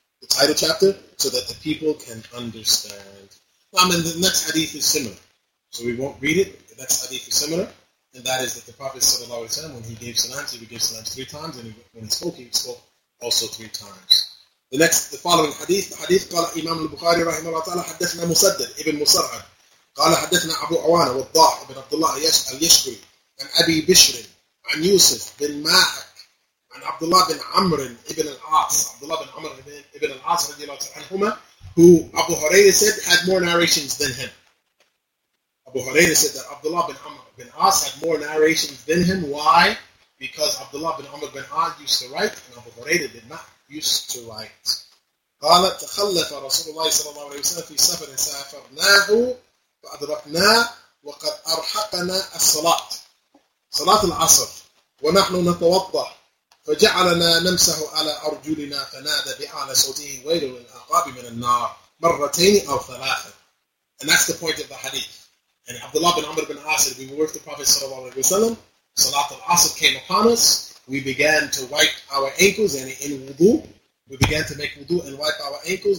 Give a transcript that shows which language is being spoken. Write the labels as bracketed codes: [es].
[en] The title chapter, so that the people can understand. Well, I mean, the next hadith is similar. So we won't read it, the next hadith is similar. And that is that the Prophet sallallahu alayhi wa sallam, when he gave salams, he would give salams three times, and when he spoke also three times. The following hadith, [ar] قال إمام البخاري رحمه الله تعالى حدثنا مسدد ابن مسرعد قال حدثنا أبو عوانة والضاح بن عبد الله اليشكري عن أبي بشر عن يوسف بن ماحك عن عبد الله بن عمرو ابن العاص عبد الله بن عمرو ابن العاص رضي الله تعالى عنهما [en] who Abu Huraira said had more narrations than him. Abu Huraira said that عبد الله بن عمرو بن عاص had more narrations than him. Why? Because عبد الله بن عمرو بن عاص used to write and Abu Huraira did not. Used to write. [ar] قال تخلف رسول الله صلى الله عليه وسلم في سفر سافرناه فأدركناه وقد أرحقنا الصلاة صلاة العصر ونحن نتوضأ فجعلنا نمسه على أرجلنا فنادى بأعلى صوته ويل للعقاب من النار مرتين أو ثلاثة. [en] And that's the point of the hadith. And Abdullah bin Amr bin Asir, we were with the Prophet sallallahu alaihi wasallam. Salat al-Asr came upon us. We began to wipe our ankles, and in wudu, we began to make wudu and wipe our ankles.